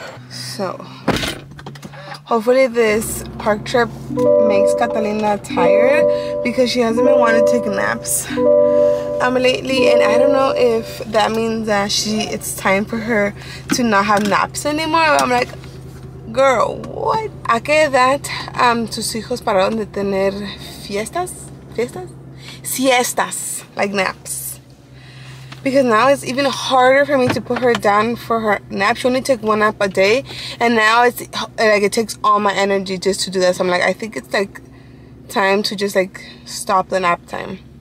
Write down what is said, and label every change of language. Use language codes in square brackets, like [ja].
[en] So, hopefully this park trip makes Catalina tired because she hasn't been wanting to take naps lately, and I don't know if that means that it's time for her to not have naps anymore. I'm like, girl, what? [es] ¿A qué edad tus hijos pararon de tener fiestas? ¿Fiestas? Siestas, [en] like naps. Because now it's even harder for me to put her down for her nap. She only took one nap a day. And now it's like it takes all my energy just to do that. So I'm like, I think it's like time to just like stop the nap time.